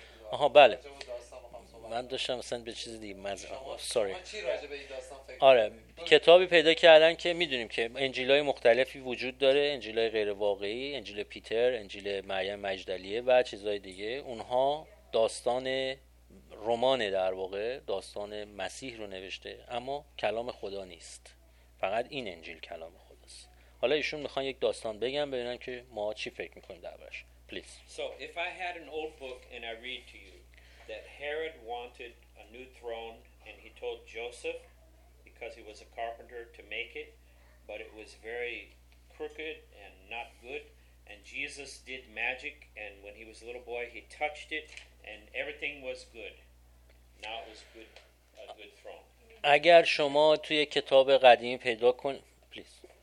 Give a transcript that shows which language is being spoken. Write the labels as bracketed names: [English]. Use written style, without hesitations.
[Persian] آها بله من داشتم مثلا به چیز دیگه سوری آره کتابی پیدا کردن که میدونیم که انجیلای مختلفی وجود داره انجیلای غیر واقعی انجیل پیتر انجیل مریم مجدلیه و چیزهای دیگه اونها داستان رمان در واقع داستان مسیح رو نوشته اما کلام خدا نیست فقط این انجیل کلام خداست حالا ایشون میخوان یک داستان بگن ببینن که ما چی فکر میکنیم در برش Please. [English] So if I had an old book and I read to you that Herod wanted a new throne and he told Joseph because he was a carpenter to make it but it was very crooked and not good and Jesus did magic and when he was a little boy he touched it and everything was good. Now it was good, a good throne. [Persian] اگر شما توی کتاب قدیمی پیدا کن Please.